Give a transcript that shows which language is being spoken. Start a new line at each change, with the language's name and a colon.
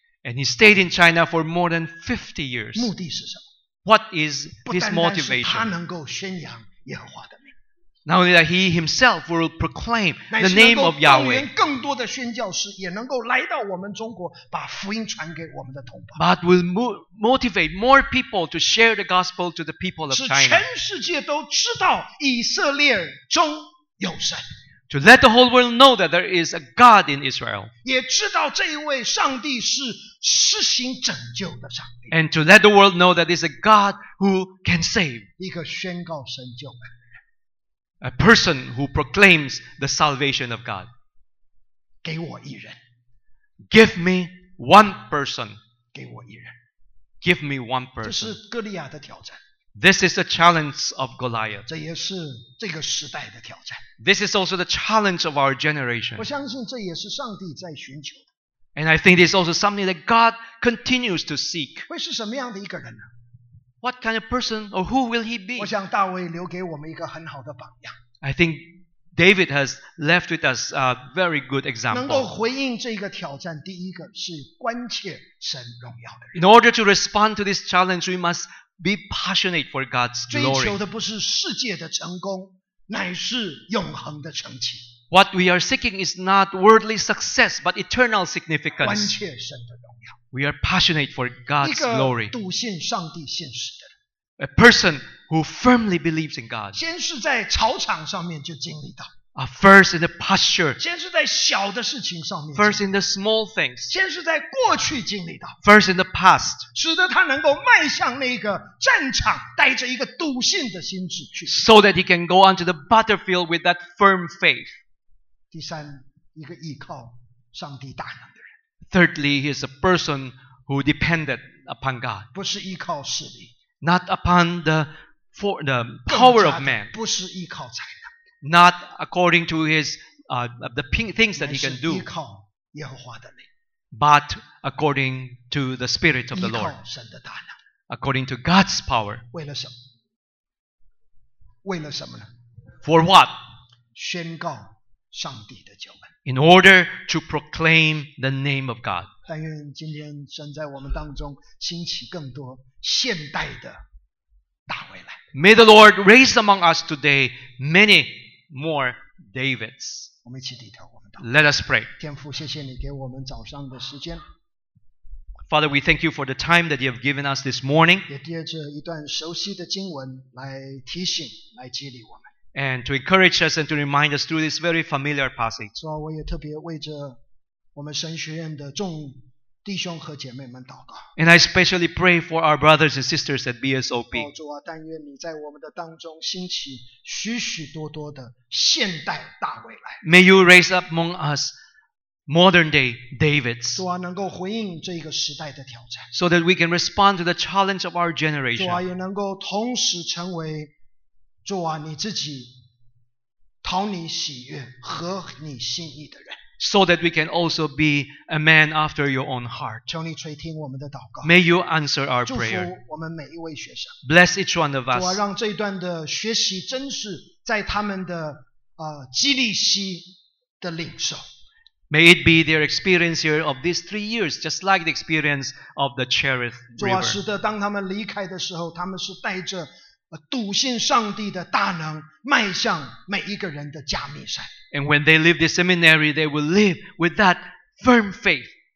English: And he stayed in China for more than 50 years.
Chinese: 目的是什么？
English: What is his motivation?
Chinese: 不单单是他能够宣扬耶和华的名。
English: Not only that he himself will proclaim the name of Yahweh.
Chinese: 乃是能够动员更多的宣教士，也能够来到我们中国，把福音传给我们的同胞。
English: But will motivate more people to share the gospel to the people of China.
Chinese: 使全世界都知道以色列中有神。
English: To let the whole world know that there is a God in Israel.
Chinese: 也知道这一位上帝是施行拯救的上帝。
English: And to let the world know that there is a God who can save.
Chinese: 一个宣告神救恩。
English: A person who proclaims the salvation of God.
Chinese: 给我一人。
English: Give me one person.
Chinese: 给我一人。
English: Give me one person.
Chinese: 这是哥利亚的挑战。
English: This is the challenge of Goliath.
Chinese: 这也是这个时代的挑战。
English: This is also the challenge of our generation.
Chinese: 我相信这也是上帝在寻求的。
English: And I think it's also something that God continues to seek.
Chinese: 会是什么样的一个人呢？
English: What kind of person or who will he be?
Chinese: 我想大卫留给我们一个很好的榜样。
English: I think David has left with us a very good example.
Chinese: 能够回应这个挑战，第一个是关切神荣耀的人。
English: In order to respond to this challenge, we must be passionate for God's glory.
Chinese: 追求的不是世界的成功，乃是永恒的成绩。
English: What we are seeking is not worldly success, but eternal significance.
Chinese: 关切神的荣耀。
English: We are passionate for God's glory.
Chinese: 一个笃信上帝现实的人。
English: A person who firmly believes in God.
Chinese: 先是在草场上面就经历到。
English: A first in the pasture.
Chinese: 先是在小的事情上面。
English: First in the small things.
Chinese: 先是在过去经历到。
English: First in the past.
Chinese: 使得他能够迈向那个战场，带着一个笃信的心志去。
English: So that he can go onto the battlefield with that firm faith.
Chinese: 第三，一个依靠上帝大能的人。
English: Thirdly, he is a person who depended upon God.
Chinese: 不是依靠势力。
English: Not upon the power of man.
Chinese: 不是依靠财。
English: Not according to his the things that he can do,
Chinese: 依靠耶和华的名,
English: but according to the Spirit of the Lord,
Chinese: 依靠神的大能,
English: according to God's power.
Chinese: 为了什么?为了什么呢?
English: For what?
Chinese: 宣告上帝的救恩.
English: In order to proclaim the name of God.
Chinese: 但愿今天神在我们当中兴起更多现代的大卫来。
English: May the Lord raise among us today many more Davids. Let us pray.
Chinese: 天父，谢谢你给我们早上的时间。
English: Father, we thank you for the time that you have given us this morning.
Chinese: 也借着一段熟悉的经文来提醒，来激励我们。
English: And to encourage us and to remind us through this very familiar passage.
Chinese: 主啊，我也特别为着我们神学院的众弟兄和姐妹们祷告。
English: And I especially pray for our brothers and sisters at BSOP.
Chinese: 主啊，但愿你在我们的当中兴起许许多多的现代大卫来。
English: May you raise up among us modern day Davids.
Chinese: 主啊，能够回应这个时代的挑战。
English: So that we can respond to the challenge of our generation.
Chinese: 主啊，也能够同时成为主啊你自己讨你喜悦和你心意的人。
English: So that we can also be a man after your own heart.
Chinese: 求你垂听我们的祷告。
English: May you answer our prayer.
Chinese: 祝福我们每一位学生。
English: Bless each one of us.
Chinese: 主啊，让这一段的学习真是在他们的基利西的领受。
English: May it be their experience here of these 3 years, just like the experience of the Cherith River.
Chinese: 主啊，使得当他们离开的时候，他们是带着笃信上帝的大能迈向每一个人的加密山。
English: And when they leave the seminary, they will live with that firm faith.